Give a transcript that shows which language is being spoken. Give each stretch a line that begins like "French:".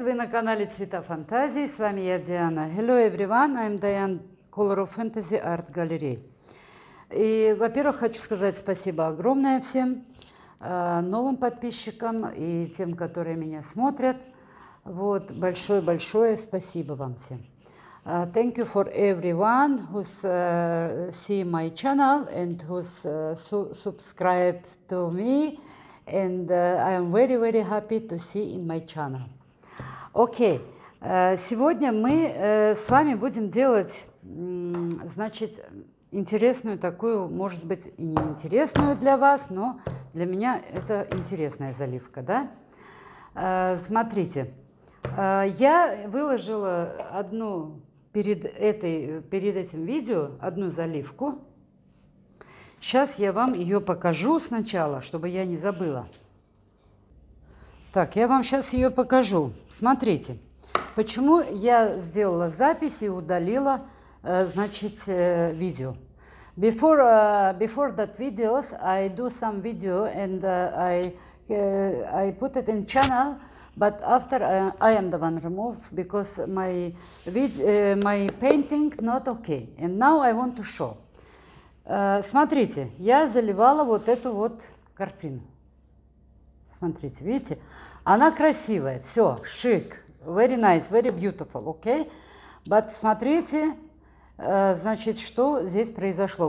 Russian: Вы на канале Цвета Фантазии, с вами я, Диана.
English: Hello everyone, I'm Diane, Color of Fantasy Art Gallery.
Russian: И, во-первых, хочу сказать спасибо огромное всем новым подписчикам и тем, которые меня смотрят. Вот, большое-большое спасибо вам всем.
English: Thank you for everyone who's see my channel and who's subscribe to me. And I am very, very happy to see in my channel. Okay.
Russian: Сегодня мы с вами будем делать, значит, интересную такую, может быть, и неинтересную для вас, но для меня это интересная заливка, да? Смотрите, я выложила одну перед этим видео одну заливку. Сейчас я вам ее покажу сначала, чтобы я не забыла. Так, я вам сейчас ее покажу. Смотрите, почему я сделала запись и удалила, значит, видео.
English: Before that videos, I do some video and I put it in channel, but after I am the one remove because my painting not okay. And now I want to show.
Russian: Смотрите, я заливала вот эту вот картину. Смотрите, видите? Она красивая, все, шик,
English: very nice, very beautiful, okay?
Russian: But смотрите, значит, что здесь произошло.